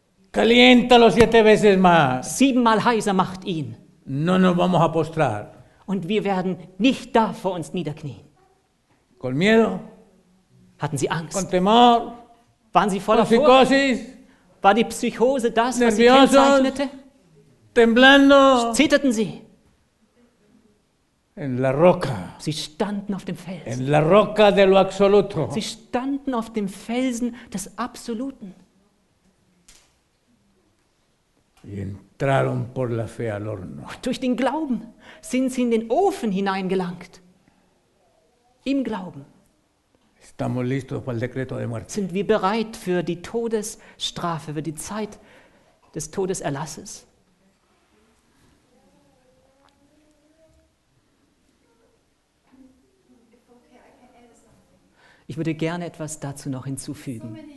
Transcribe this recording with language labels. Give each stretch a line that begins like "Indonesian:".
Spanish: Caliéntalo siete veces más.
German: Siebenmal heißer macht ihn.
Spanish: No nos vamos a postrar.
German: Und wir werden nicht da vor uns niederknien.
Spanish: Con miedo.
German: Hatten sie Angst?
Spanish: Con temor.
German: Waren sie voller Furcht?
Spanish: Con psicosis.
German: War die Psychose das,
Spanish: nerviosos,
German: was sie kennzeichnete?
Spanish: Temblando.
German: Zitterten sie?
Spanish: En la roca.
German: Sie standen auf dem Felsen.
Spanish: En la roca de lo absoluto.
German: Sie standen auf dem Felsen des Absoluten.
Spanish: Y entraron por la fe al horno.
German: Durch den Glauben sind sie in den Ofen hineingelangt. Im Glauben.
Spanish: Estamos listos para el decreto de muerte.
German: Sind wir bereit für die Todesstrafe, für die Zeit des Todeserlasses? Ich würde gerne etwas dazu noch hinzufügen.